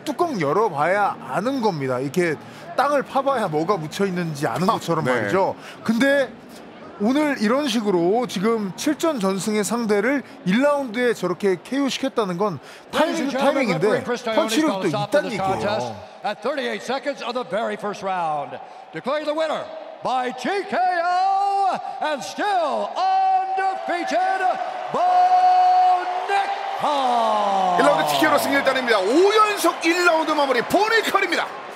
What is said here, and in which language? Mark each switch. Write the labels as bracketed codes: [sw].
[ko] 뚜껑 열어봐야 아는 겁니다. 이렇게 땅을 파봐야 뭐가 묻혀있는지 아는 것처럼 말이죠. 근데 오늘 이런 식으로 지금 7전 전승의 상대를 1라운드에 저렇게 KO시켰다는 건 타이밍인데 펀치력도 있다는 얘기예요. [en] At 38 seconds of the very first round, declare the winner by TKO and still undefeated. [ko] 보니컬 1라운드 TKO로 승리를 따냅니다. 5연속 1라운드 마무리 보니컬입니다.